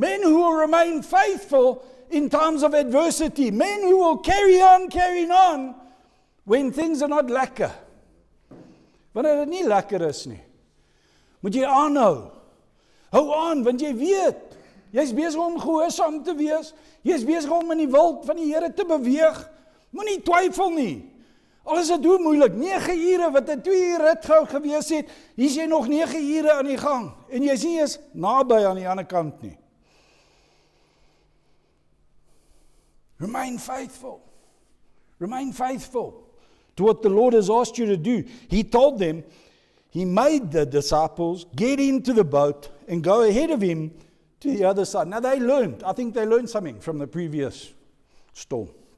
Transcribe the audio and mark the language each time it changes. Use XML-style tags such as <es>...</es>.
<en>Men who will remain faithful in times of adversity. Men who will carry on, carrying on, when things are not lekker.</en> <af>Wanneer dit nie lekker is nie. Moet jy aanhou. Hou aan, want jy weet, jy is bezig om gehoorsaam te wees, jy is bezig om in die wil van die Here te beweeg, moet nie twyfel nie, al is dit hoe moeilik, 9 ure, wat 'n 2 uur rit gou gewees het, hier is jy nog 9 ure aan die gang, en jy is nie eens naby aan die ander kant nie.</af> <en>Remain faithful, to what the Lord has asked you to do. He told them, he made the disciples get into the boat, and go ahead of him to the other side. Now they learned. I think they learned something from the previous storm.</en>